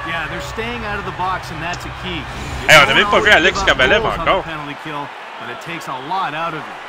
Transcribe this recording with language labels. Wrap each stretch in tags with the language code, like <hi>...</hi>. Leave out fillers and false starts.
<en>Yeah, they're staying out of the box and that's a key.</en> <fr>Hey, on a même pas vu Alex Kabalev encore.</fr> <en>Penalty kill, but it takes a lot out of you.</en>